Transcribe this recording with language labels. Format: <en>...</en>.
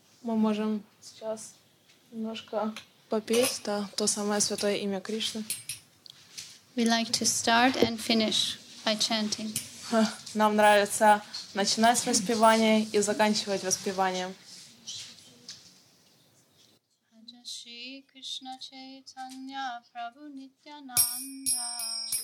<ru>Мы можем сейчас немножко... Попеть, да, то самое святое имя Кришны.</ru> <en>We like to start and finish by chanting.</en> <ru>Нам нравится начинать с воспевания и заканчивать воспеванием. Шри Кришна Чайтанья Прабху Нитьянанда.</ru>